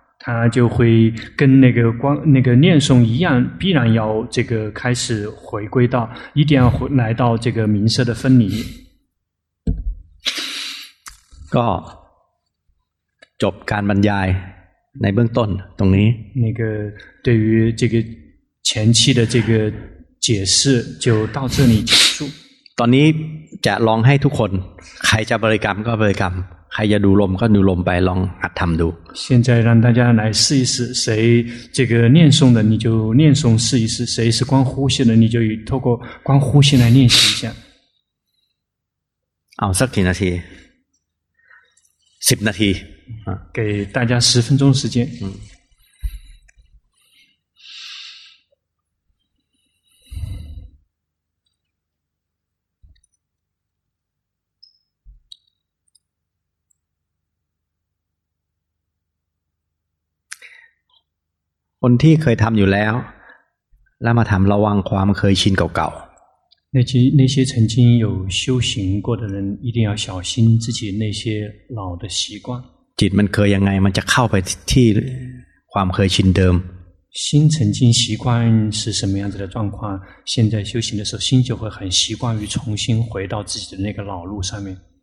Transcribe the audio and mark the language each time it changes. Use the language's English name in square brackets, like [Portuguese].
[Chinese] 他就会跟那个光那个念诵一样必然要这个开始回归到一定要来到这个名色的分离 [Thai] ก็จบการบรรยายในเบื้องต้นตรงนี้ [Chinese] 那个对于这个前期的这个解释就到这里结束 [Thai] ตอนนี้จะลองให้ทุกคนใครจะบริกรรมก็บริกรรมใครจะดูลมก็ดูลมไปลองหัดทำดู [Chinese] 现在让大家来试一试谁这个念诵的你就念诵试一试谁是光呼吸的你就透过光呼吸来练习一下 [Thai] เอาสักกี่นาที10นาที [Chinese] 给大家10分钟时间 [Thai] คนที่เคยทำอยู่แล้วแล้วมาทำระวังความเคยชินเก่า [Chinese] ๆ那些曾经有修行过的人一定要小心自己那些老的习惯 [Thai] จิตมันเคยยังไงมันจะเข้าไปที่ความเคยชินเดิม [Chinese] 心曾经习惯是什么样子的状况现在修行的时候心就会很习惯于重新回到自己的那个老路上面